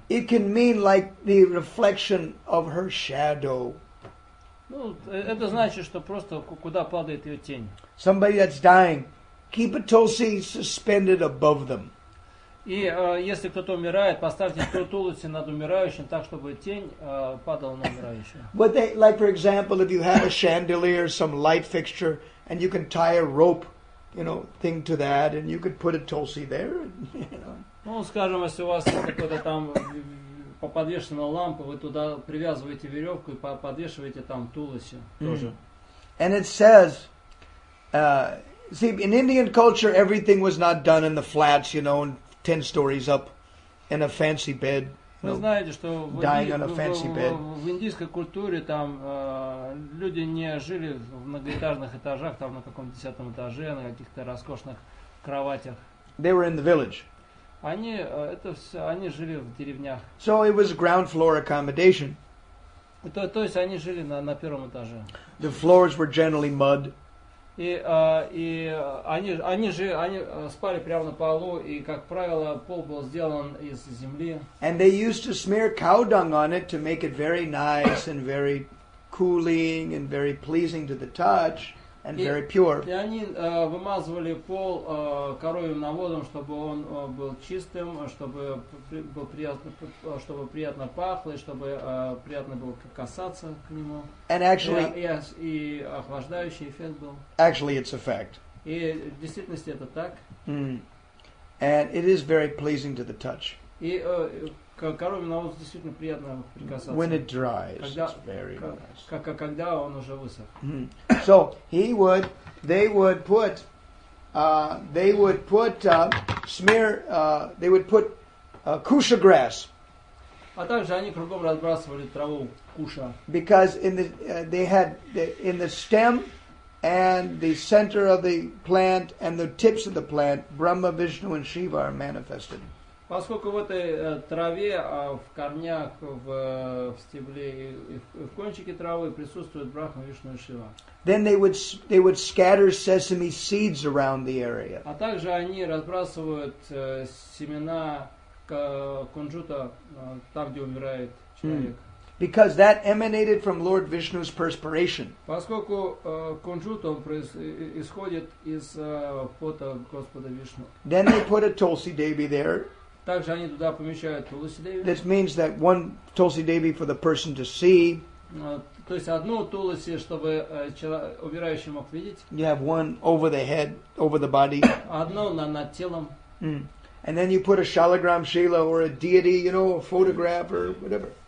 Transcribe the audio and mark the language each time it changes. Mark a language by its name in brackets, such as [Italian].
[English] It can mean like the reflection of her shadow. [Russian] Ну, это значит, что просто куда падает ее тень. [English] Somebody that's dying. Keep a tulsi suspended above them. [Russian] И если кто-то умирает, поставьте тулуси над умирающим, так чтобы тень падала на умирающего. [English] But they, like for example, if you have a chandelier, some light fixture, and you can tie a rope, you know, thing to that, and you could put a tulsi there. [Russian] Ну, скажем, если у вас какой-то там подвешена лампа, вы туда привязываете веревку и подвешиваете там тулуси тоже. [English] And it says. See, in Indian culture, everything was not done in the flats, you know, 10 stories up in a fancy bed, you know, [Russian] знаете, что [English] dying on a fancy bed. [Russian] В индийской культуре там люди не жили в многоэтажных этажах, там на каком-то 10-м этаже, на каких-то роскошных кроватях. [English] They were in the village. [Russian] Они, это все, они жили в деревнях. [English] So it was ground floor accommodation. [Russian] То есть они жили на первом этаже. [English] The floors were generally mud. [Russian] И они спали прямо на полу, и, как правило, пол был сделан из земли. [English] And they used to smear cow dung on it to make it very nice and very cooling and very pleasing to the touch and very pure. [Russian] И они вымазывали пол коровьим навозом, чтобы он был чистым, чтобы приятно пахло, и чтобы приятно было касаться к нему. [English] And actually, [Russian] и охлаждающий эффект был. [English] Actually, it's a fact. [Russian] И в действительности это так. Mm. [English] And it is very pleasing to the touch. [Russian] И коровьим навозом действительно приятно прикасаться. [English] When it dries, [Russian] когда, [English] it's very nice. [Russian] Когда он уже высох. [English] Mm. So they would put kusha grass. [Russian] А также они кругом разбрасывали траву куша. [English] Because in the they had the, in the stem and the center of the plant and the tips of the plant, Brahma, Vishnu, and Shiva are manifested. [Russian] Поскольку в этой траве, в корнях, в стебле и в кончике травы присутствует Брахма, Вишну и Шива. [English] Then they would scatter sesame seeds around the area. [Russian] А также они разбрасывают семена кунжута там, где умирает человек. Mm. [English] Because that emanated from Lord Vishnu's perspiration. [Russian] Поскольку кунжут он исходит из пота Господа Вишну. [English] Then they put a tulsi devi there. [Russian] Также они туда помещают тулуси деви. [English] This means that one tulsi devi for the person to see. [Russian] То есть одну тулуси, чтобы умирающий мог видеть. [English] You have one over the head, over the body. [Russian] Одно над телом. Mm. [English] And then you put a shalagram shila or a deity, you know, a photograph or whatever.